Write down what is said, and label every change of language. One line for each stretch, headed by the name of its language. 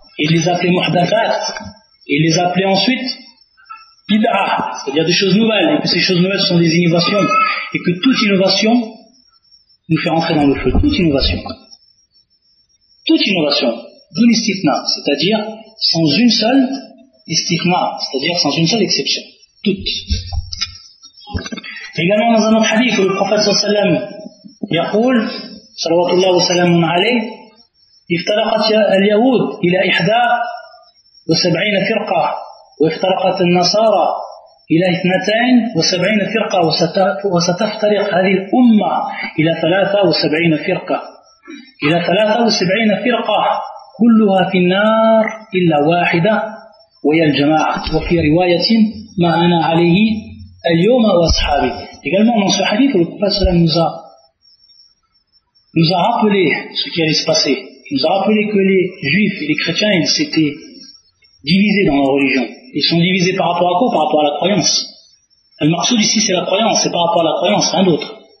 French: Et il les appelait muhdathat, et il les appelait ensuite bid'ah, c'est-à-dire des choses nouvelles, et que ces choses nouvelles sont des innovations, et que toute innovation nous fait rentrer dans le feu. Toute innovation. Toute innovation. D'une istithna, c'est-à-dire sans une seule istithna, c'est-à-dire sans une seule exception. Toutes. Également dans un autre hadith où le prophète
Arabic: sallallahu alayhi wa sallam, yaqul, salawatullah wa sallamun alayhi, افترقت اليهود إلى 71 فرقة وافترقت النصارى إلى 72 فرقة وستفترق هذه الأمة إلى 73 فرقة إلى 73 فرقة كلها في النار إلا واحدة وهي الجماعة وفي رواية ما أنا عليه اليوم وأصحابي.
French: également dans ce hadith où le prophète sallam nous a rappelé ce qui allait se passer. Il nous a rappelé que les juifs et les chrétiens, ils s'étaient divisés dans leur religion. Ils sont divisés par rapport à quoi ? Par rapport à la croyance. Le marsoud ici, c'est la croyance, c'est par rapport à la croyance, rien d'autre.